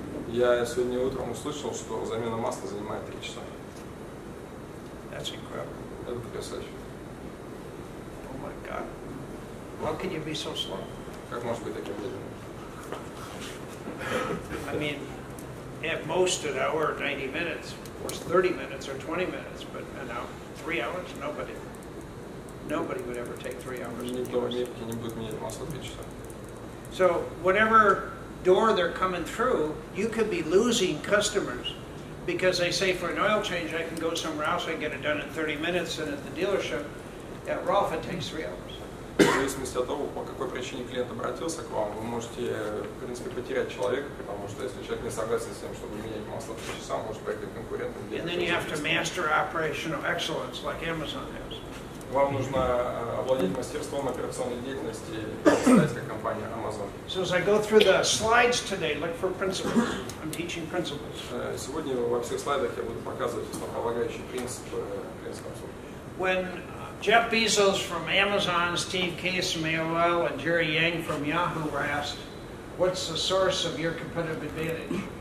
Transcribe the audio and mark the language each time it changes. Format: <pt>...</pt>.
<ru>Я сегодня утром услышал, что замена масла занимает 3 часа.</ru> <en>That's incredible.</en> <ru>Это потрясающе.</ru> <en>God. How can you be so slow?</en> <ru>Как может быть таким медленным?</ru> <en>I mean, at most an hour, 90 minutes, or 30 minutes, or 20 minutes, but an hour, 3 hours? Nobody would ever take 3 hours.</en> <ru>Никто в Америке не будет менять масло 3 часа.</ru> <en>So, whatever door they're coming through, you could be losing customers. Because they say, for an oil change, I can go somewhere else, I can get it done in 30 minutes, and at the dealership, at Rolf, it takes 3 hours.</en> <ru>В зависимости от того, по какой причине клиент обратился к вам, вы можете, в принципе, потерять человека, потому что если человек не согласен с тем, чтобы менять масло 3 часа, может поехать конкурентом.</ru> <en>And then you have to master operational excellence, like Amazon has.</en> <ru>Вам нужно овладеть мастерством операционной деятельности, представить, как компания Amazon.</ru> <en>So as I go through the slides today, look for principles. I'm teaching principles.</en> <ru>Сегодня во всех слайдах я буду показывать основополагающие принципы клиентского обслуживания.</ru> <en>Jeff Bezos from Amazon, Steve Case from AOL, and Jerry Yang from Yahoo were asked, what's the source of your competitive advantage?</en>